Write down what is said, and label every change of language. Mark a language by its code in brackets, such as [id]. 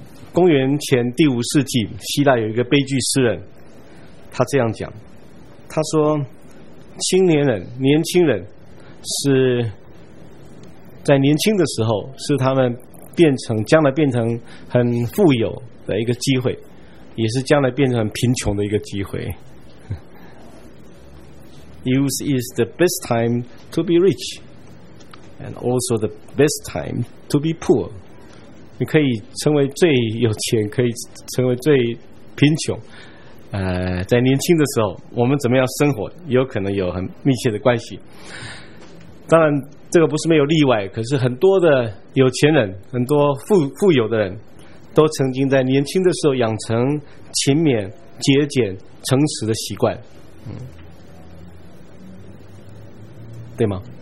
[zh] 公元前第五世纪，希腊有一个悲剧诗人，他这样讲，他说：青年人，年轻人是在年轻的时候是他们变成将来变成很富有的一个机会，也是将来变成贫穷的一个机会。 [en] Youth is the best time to be rich and also the best time to be poor。 [zh] 你可以成为最有钱，可以成为最贫穷，在年轻的时候我们怎么样生活有可能有很密切的关系。当然这个不是没有例外，可是很多的有钱人，很多 富有的人都曾经在年轻的时候养成勤勉、节俭、诚实的习惯，对吗？